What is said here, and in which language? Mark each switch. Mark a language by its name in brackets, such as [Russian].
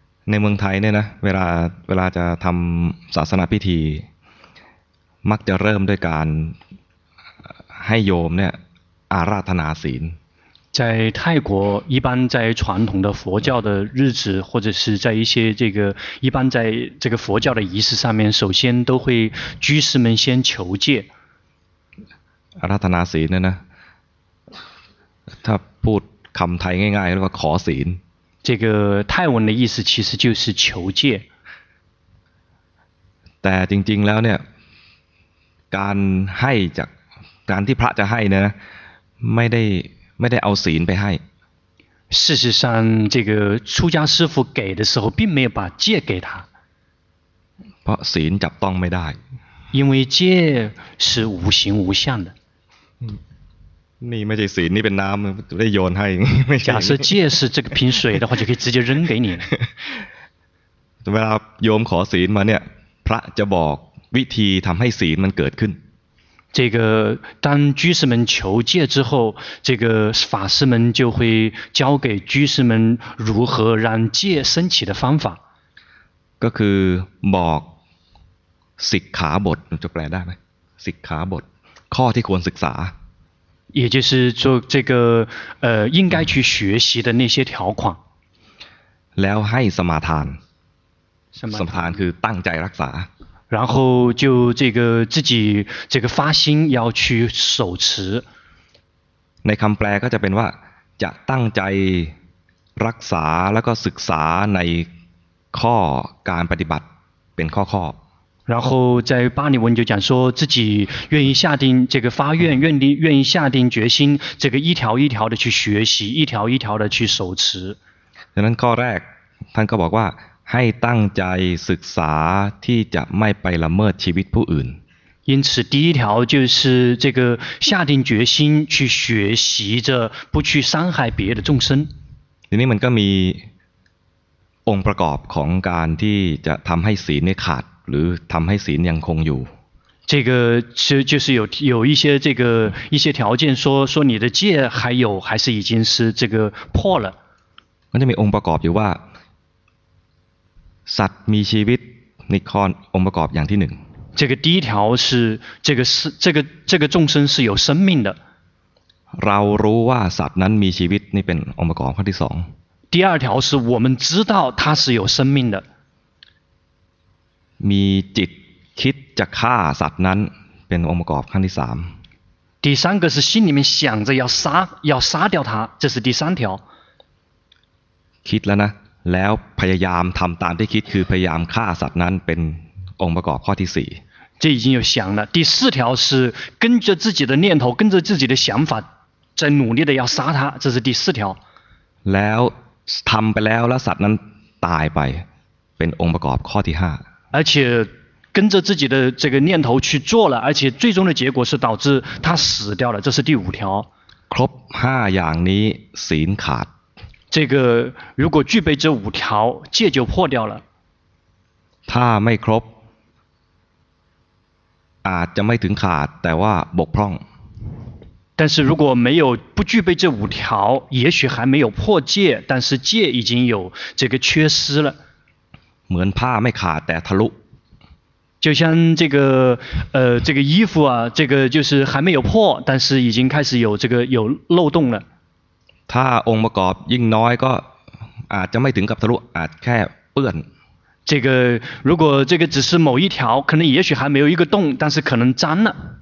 [Thai] ในเมืองไทยเนี่ยนะเวลาจะทำศาสนาพิธีมักจะเริ่มด้วยการให้โยมเนี่ยอาราธนาศีล [Chinese] 在泰国一般在传统的佛教的日子或者是在一些这个一般在这个佛教的仪式上面首先都会居士们先求戒 [Thai] อาราธนาศีลเนี่ยนะถ้าพูดคำไทยง่ายๆเรียกว่าขอศีล [Chinese] 这个泰文的意思其实就是求戒 [Thai] แต่จริงๆแล้วเนี่ยการให้จากการที่พระจะให้นะไม่ได้เอาศีลไปให้ [Chinese] 事实上这个出家师父给的时候并没有把戒给他 [Thai] เพราะศีลจับต้องไม่ได้ [Chinese] 因为戒是无形无相的 [Thai] นี่ไม่ใช่ศีลนี่เป็นน้ำได้โยนให้ [Chinese] 假设戒是这个瓶水的话就可以直接扔给你 [Thai] เวลาโยมขอศีลมาเนี่ยพระจะบอกวิธีทำให้ศีลมันเกิดขึ้น [Chinese] 这个当居士们求戒之后，这个法师们就会教给居士们如何让戒升起的方法。 [Thai] ก็คือบอกสิกขาบทจะแปลได้ไหมสิกขาบทข้อที่ควรศึกษา [Chinese] 也就是做这个应该去学习的那些条款。 [Thai] แล้วให้สมาทาน สม าทานคือตั้งใจรักษา [Chinese] 然后就这个自己这个发心要去守持 [Thai] ในคำแปลก็จะเป็นว่าจะตั้งใจรักษาแล้วก็ศึกษาในข้อการปฏิบัติเป็นข้อๆ [Chinese] 然后在巴利文就讲说自己愿意下定这个发愿愿意下定决心这个一条一条的去学习一条一条的去守持 [Thai] ดังนั้นข้อแรกท่านก็บอกว่าให้ตั้งใจศึกษาที่จะไม่ไปละเมิดชีวิตผู้อื่น [Chinese] 因此第一条就是这个下定决心去学习着不去伤害别的众生 [Thai] ทีนี้มันก็มีองค์ประกอบของการที่จะทำให้ศีลนี่ขาดหรือทำให้ศีลยังคงอยู่ [Chinese] 这个就是有一些这个一些条件说你的戒还是已经是这个破了 [Thai] มันจะมีองค์ประกอบอยู่ว่าสัตว์มีชีวิตนิครองค์ประกอบอย่างที่หนึ่ง [Chinese] 这个第一条是这个众生是有生命的 [Thai] เรารู้ว่าสัตว์นั้นมีชีวิตนี่เป็นองค์ประกอบข้อที่สอง [Chinese] 第二条是我们知道它是有生命的 [Thai] มีจิตคิดจะฆ่าสัตว์นั้นเป็นองค์ประกอบขั้นที่สาม [Chinese] 第三个是心里面想着要杀掉它这是第三条 [Thai] คิดแล้วนะแล้วพยายามทำตามที่คิดคือพยายามฆ่าสัตว์นั้นเป็นองค์ประกอบข้อที่สี่ [Chinese] 这已经有想了第四条是跟着自己的念头跟着自己的想法在努力的要杀他这是第四条 [Thai] แล้วทำไปแล้วแล้วสัตว์นั้นตายไปเป็นองค์ประกอบข้อที่ห้า [Chinese] 而且跟着自己的这个念头去做了而且最终的结果是导致他死掉了这是第五条 [Thai] ครบห้าอย่างนี้ศีลขาด [Chinese] 这个如果具备这五条戒就破掉了 [Thai] ถ้าไม่ครบอาจจะไม่ถึงขาดแต่ว่าบกพร่อง [Chinese] 但是如果没有不具备这五条也许还没有破戒但是戒已经有这个缺失了 [Thai] เหมือนผ้าไม่ขาดแต่ทะลุ [Chinese] 就像这个衣服啊这个就是还没有破但是已经开始有漏洞了 [Thai] ถ้าองค์ประกอบยิ่งน้อยก็อาจจะไม่ถึงกับทะลุอาจแค่เปื้อน [Chinese] 这个如果这个只是某一条可能也许还没有一个洞但是可能沾了